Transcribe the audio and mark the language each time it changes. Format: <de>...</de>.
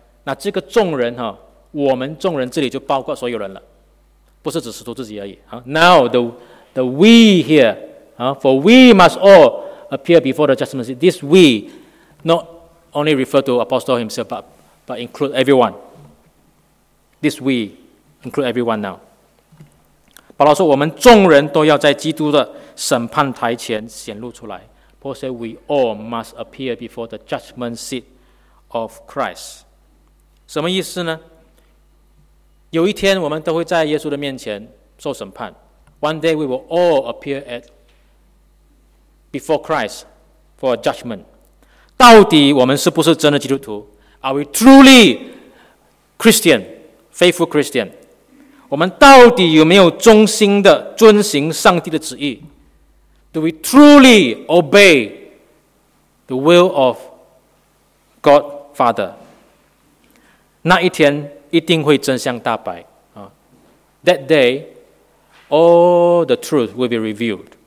<zh>那这个众人、啊、我们众人这里就包括所有人了。不是只使徒自己而已。</zh> <en>Now the we here, for we must all appear before the judgment seat. This we not only refer to Apostle himself, but include everyone. This we include everyone now.</en> <zh>保罗说我们众人都要在基督的审判台前显露出来。</zh> <en>Paul said, we all must appear before the judgment seat of Christ.</en> <zh>什么意思呢？有一天我们都会在耶稣的面前受审判。</zh> <en>One day we will all appear at before Christ for a judgment.</en> <zh>到底我们是不是真的基督徒？</zh> <en>Are we truly Christian, faithful Christian?</en> <zh>我们到底有没有忠心的遵行上帝的旨意？</zh> <en>Do we truly obey the will of God Father?</en> <zh>那一天一定会真相大白、啊、</zh> <en>That day, all the truth will be revealed.</en>